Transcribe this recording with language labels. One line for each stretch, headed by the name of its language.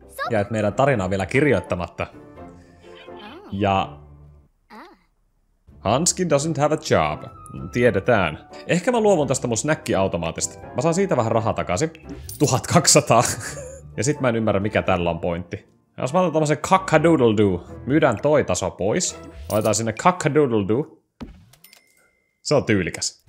Finnish: Ja et meidän tarinaa vielä kirjoittamatta. Ja...
English: Hanskin doesn't have a job.
Finnish: Tiedetään. Ehkä mä luovun tästä mun snäkkiautomaatista. Mä saan siitä vähän rahaa takaisin. 1200. Ja sit mä en ymmärrä, mikä tällä on pointti. Jos mä otan tommosen kakkadoodledoo, myydään toi taso pois. Otetaan sinne kakkadoodledoo. Se on tyylikäs.